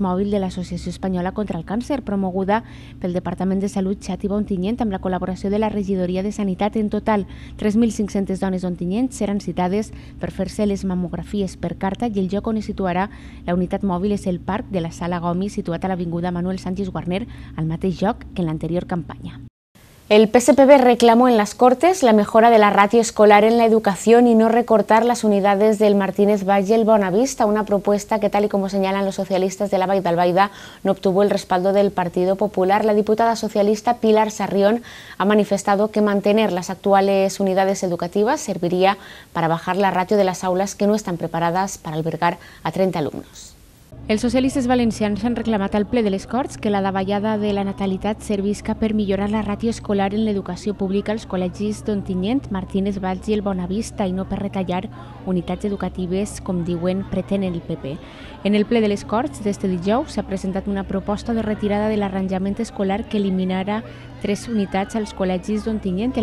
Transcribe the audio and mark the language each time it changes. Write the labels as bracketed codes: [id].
[ca] mòbil de l'Associació Espanyola contra el Càncer, promoguda pel Departament de Salut Xàtiva i Ontinyent amb la col·laboració de la Regidoria de Sanitat. En total, 3.500 dones d'Ontinyent seran citades per fer-se les mamografies per carta i el lloc on es situarà la unitat mòbil és el parc de la Sala Gomi, situat a l'Avinguda Manuel Sánchez Guarner, al mateix lloc que en l'anterior campanya. [es] El PSPB reclamó en las Cortes la mejora de la ratio escolar en la educación y no recortar las unidades del Martínez Valle el Bonavista, una propuesta que, tal y como señalan los socialistas de la Vall d'Albaida, no obtuvo el respaldo del Partido Popular. La diputada socialista Pilar Sarrión ha manifestado que mantener las actuales unidades educativas serviría para bajar la ratio de las aulas que no están preparadas para albergar a 30 alumnos. [ca] Els socialistes valencians han reclamat al ple de les Corts que la davallada de la natalitat servisca per millorar la ràtio escolar en l'educació pública als col·legis d'Ontinyent, Martínez Valls i el Bonavista i no per retallar unitats educatives, com diuen, pretenen el PP. En el ple de les Corts, d'este dijous, s'ha presentat una proposta de retirada de l'arranjament escolar que eliminarà 3 unitats als col·legis d'Ontinyent.